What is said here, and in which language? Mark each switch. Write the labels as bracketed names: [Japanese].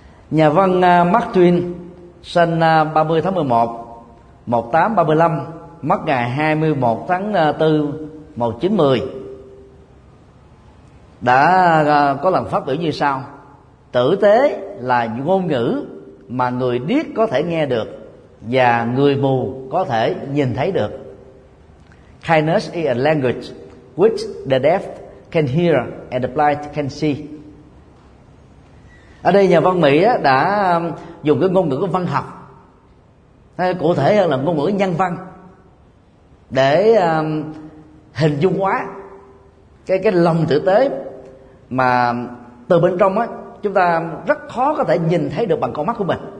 [Vietnamese] Nhà văn Mark Twain sinh 30 tháng 11 1835, mất ngày 21 tháng 4 1910, đã có lần phát biểu như sau: tử tế là ngôn ngữ mà người điếc có thể nghe được và người mù có thể nhìn thấy được. [English] Kindness is a language which the deaf can hear and the blind can see. [Vietnamese] Ở đây nhà văn Mỹ đã dùng cái ngôn ngữ của văn học, hay cụ thể hơn là ngôn ngữ nhân văn, để hình dung hóa cái lòng tử tế mà từ bên trong á chúng ta rất khó có thể nhìn thấy được bằng con mắt của mình.